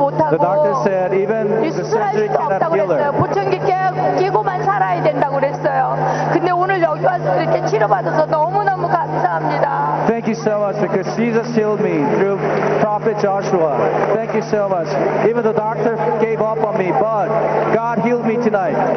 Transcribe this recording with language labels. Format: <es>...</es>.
<en>The doctor said even the surgery cannot heal her.</en> <ko>보청기 끼고만 살아야 된다고 그랬어요. 근데 오늘 여기 와서 이렇게 치료받아서 너무너무 감사합니다.</ko> <en>Thank you so much because Jesus healed me through Prophet Joshua. Thank you so much. Even the doctor gave up on me, but God healed me tonight.</en>